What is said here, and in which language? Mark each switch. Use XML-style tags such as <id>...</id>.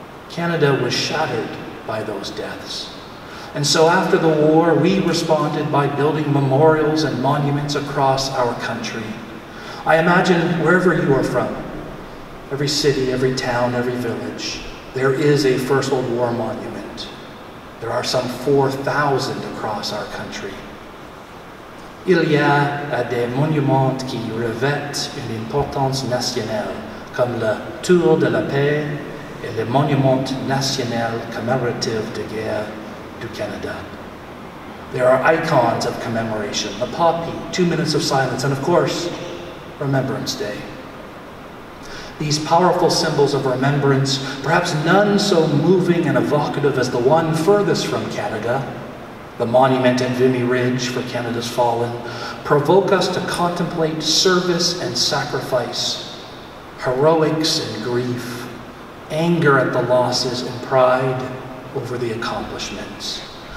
<en>Canada was shattered by those deaths. And so after the war, we responded by building memorials and monuments across our country. I imagine wherever you are from, every city, every town, every village, there is a First World War monument. There are some 4,000 across our country.</en> <fr>Il y a des monuments qui revêtent une importance nationale, comme la Tour de la Paix et le Monument National Commemoratif de Guerre du Canada.</fr> <en>There are icons of commemoration, the poppy, 2 minutes of silence, and of course, Remembrance Day. These powerful symbols of remembrance, perhaps none so moving and evocative as the one furthest from Canada, the monument in Vimy Ridge for Canada's fallen, provoke us to contemplate service and sacrifice, heroics and grief, anger at the losses, and pride over the accomplishments.</en>